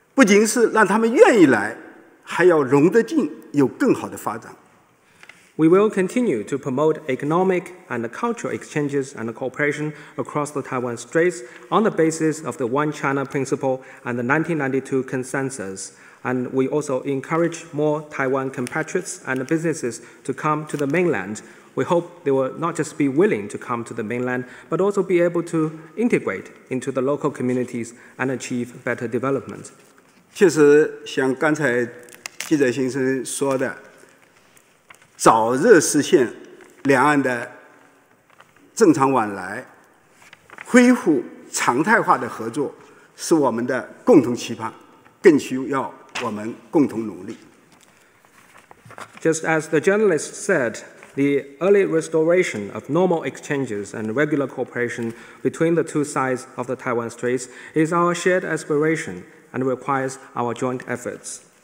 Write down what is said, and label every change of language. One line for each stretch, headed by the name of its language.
Chinese: 我们将在一个中国原则和九二共识的基础上继续推进两岸的经济、文化交流和合作，要让更多的台胞台企到大陆来，不仅是让他们愿意来。
English: We will continue to promote economic and cultural exchanges and cooperation across the Taiwan Straits on the basis of the One China Principle and the 1992 Consensus. And we also encourage more Taiwan compatriots and businesses to come to the mainland. We hope they will not just be willing to come to the mainland, but also be able to integrate into the local communities and achieve better development.
Chinese: 确实像刚才 记者先生说的，早日实现两岸的正常往来，恢复常态化的合作，是我们的共同期盼，更需要我们共同努力。
English: Just as the journalist said, the early restoration of normal exchanges and regular cooperation between the two sides of the Taiwan Straits is our shared aspiration and requires our joint efforts.